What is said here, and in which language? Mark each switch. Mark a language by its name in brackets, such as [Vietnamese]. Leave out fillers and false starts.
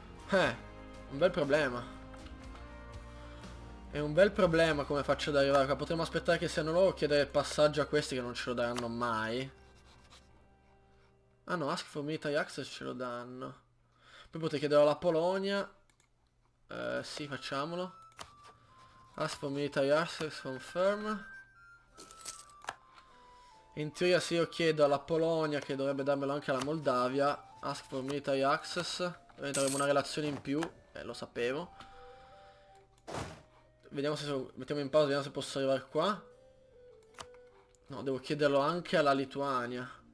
[Italian] Un bel problema. È un bel problema come faccio ad arrivare qua. Potremmo aspettare che siano loro a chiedere passaggio a questi, che non ce lo daranno mai. Ah no, [English] ask for military access [Italian] ce lo danno. Poi potrei chiedere alla Polonia. Sì, facciamolo. [English] Ask for military access, confirm. [Italian] In teoria se io chiedo alla Polonia, che dovrebbe darmelo anche alla Moldavia, [English] ask for military access, [Italian] avremo una relazione in più, lo sapevo. Vediamo se mettiamo in pausa, vediamo se posso arrivare qua. No, devo chiederlo anche alla Lituania.